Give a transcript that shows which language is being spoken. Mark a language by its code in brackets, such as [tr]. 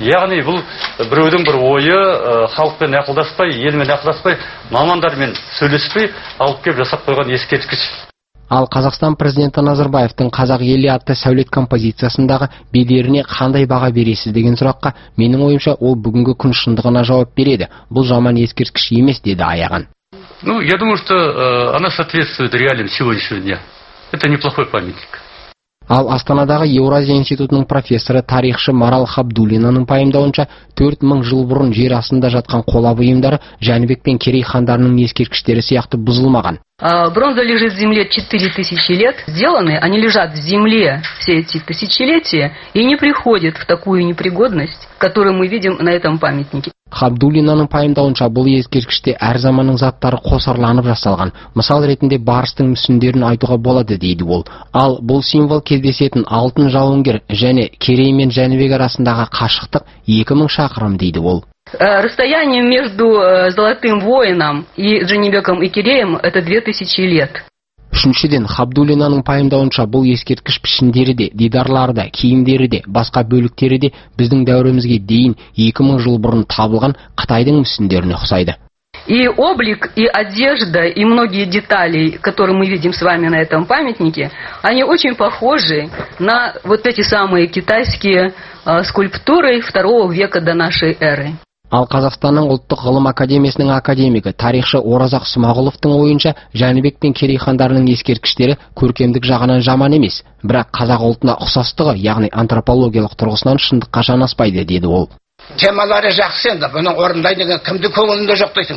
[kk] Яғни бұл біреудің бір ойы, халықпен ақылдаспай, елмен ақылдаспай, мамандармен сөйлеспей алып келіп жасап қойған ескерткіш. Ал Қазақстан президенті Назарбаевтың Қазақ елі атты сәулет композициясындағы бедеріне қандай баға бересіз деген сұраққа менің ойымша ол бүгінгі күн шындығына жауап береді. Бұл жаман ескерткіш емес деді Аяған. [ru] Ну, я думаю, что она соответствует реалиям сегодняшнего дня. Это неплохой памятник. [kk] Ал Астанадағы Еуразия институтының профессоры, тарихшы Марал Хабдулинаның пайымдауынша, 4000 жыл бұрын жер астында жатқан қола бұйымдары Жәнібек пен Керей хандарының ескерткіштері сияқты бұзылмаған. [ru] Бронза лежит в земле 4000 лет, сделаны, они лежат в земле все эти тысячелетия и не приходят в такую непригодность, которую мы видим на этом памятнике. [kk] Хабдулинаның пайымдауынша, бұл ескерткіште әр заманның заттары қосарланып жасалған. Мысал ретінде барыстың мүсіндерін айтуға болады дейді ол. Ал бұл символ кездесетін алтын жауынгер және Керей мен Жәнібек арасындағы қашықтық 2000 шақырым дейді ол. [ru] Расстояние между Золотым воином и Жәнібеком и Кереем это 2000 лет. [kk] Үшіншіден, Хабдулинаның пайымдауынша бұл ескерткіш пішіндері де, дидарлары да, киімдері де, басқа бөліктері де біздің дәуірімізге дейін 2000 жыл бұрын табылған Қытайдың мүсіндеріне ұқсайды. [ru] И облик, и одежда, и многие детали, которые мы видим с вами на этом памятнике, они очень похожи на вот эти самые китайские скульптуры 2 века до нашей эры. [kk] Ал Қазақстанның ұлттық ғылым академиясының академигі тарихшы Оразақ Смағұловтың ойынша Жәнібек пен Керей хандарының ескерткіштері көркемдік жағынан жаман емес, бірақ қазақ ұлтына ұқсастығы, яғни антропологиялық тұрғысынан шындыққа жанаспайды деді ол. Темалары жақсы енді, бұны орындай деген кімді көңілінде жоқ дейсің.